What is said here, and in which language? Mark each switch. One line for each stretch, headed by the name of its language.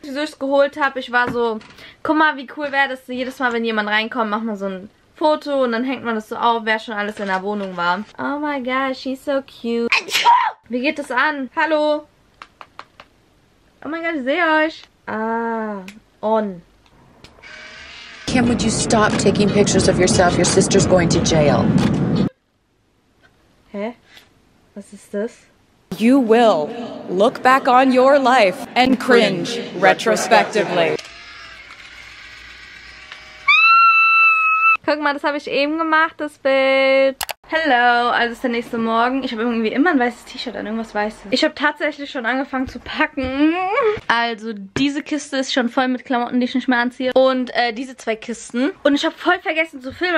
German: Wieso ich es geholt habe, ich war so, guck mal, wie cool wäre das, jedes Mal, wenn jemand reinkommt, macht man so ein Foto und dann hängt man das so auf, wer schon alles in der Wohnung war.
English: Oh my gosh, she's so cute.
German: Wie geht das an? Hallo? Oh mein Gott, ich sehe euch. Ah, on.
English: Kim, would you stop taking pictures of yourself? Your sister's going to jail.
German: Hä? Was ist das?
English: You will look back on your life and cringe retrospectively.
German: Guck mal, das habe ich eben gemacht, das Bild. Hello, also es ist der nächste Morgen. Ich habe irgendwie immer ein weißes T-Shirt an, irgendwas Weißes. Ich habe tatsächlich schon angefangen zu packen. Also diese Kiste ist schon voll mit Klamotten, die ich nicht mehr anziehe. Und diese zwei Kisten. Und ich habe voll vergessen zu filmen.